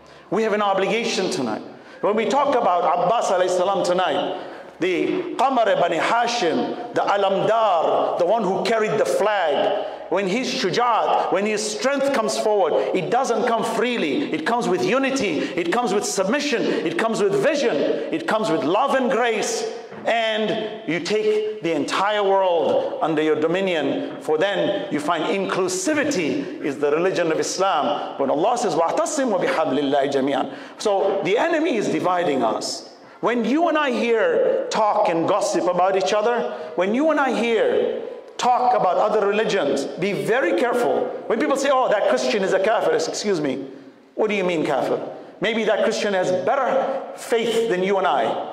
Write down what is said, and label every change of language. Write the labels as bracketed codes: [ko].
[en] We have an obligation tonight. When we talk about Abbas alayhi salam tonight, the Qamar ibn Hashim, the Alamdar, the one who carried the flag, when his shujaat, when his strength comes forward, it doesn't come freely. It comes with unity. It comes with submission. It comes with vision. It comes with love and grace. And you take the entire world under your dominion. For then you find inclusivity is the religion of Islam. When Allah says, [ar] وَاعْتَصِمُوا بِحَبْلِ اللَّهِ جَمِيعًا. [en] So the enemy is dividing us. When you and I hear talk and gossip about each other, when you and I hear talk about other religions, be very careful. When people say, oh, that Christian is a kafir, excuse me, what do you mean kafir? Maybe that Christian has better faith than you and I.